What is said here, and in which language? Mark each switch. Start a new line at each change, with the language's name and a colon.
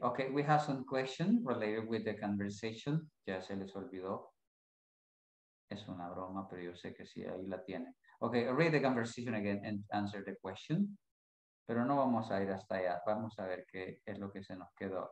English: Okay, we have some questions related with the conversation.
Spanish: Ya se les olvidó. Es una broma, pero yo sé que sí, ahí la tienen.
English: Okay, read the conversation again and answer the question.
Spanish: Pero no vamos a ir hasta allá. Vamos a ver qué es lo que se nos quedó.